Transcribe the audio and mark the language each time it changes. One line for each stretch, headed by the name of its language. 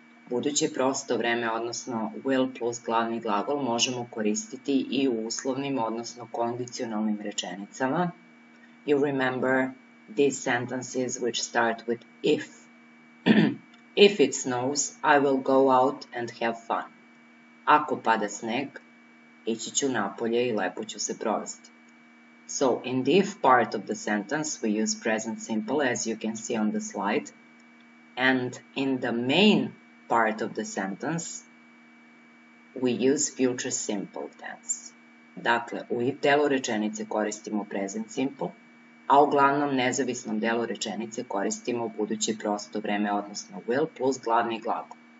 Serbian: Buduće prosto vreme, odnosno will plus glavni glagol, možemo koristiti i u uslovnim, odnosno kondicionalnim rečenicama.
English: You remember these sentences which start with if. If it snows, I will go out and have fun.
Serbian: Ako pada sneg, ići ću napolje I lepo ću se provesti.
English: So, in the if part of the sentence, we use present simple, as you can see on the slide. And in the main part of the sentence, we use future simple tense.
Serbian: Dakle, u if delu rečenice koristimo present simple, a u glavnom nezavisnom delu rečenice koristimo buduće prosto vreme, odnosno will, plus glavni glagol.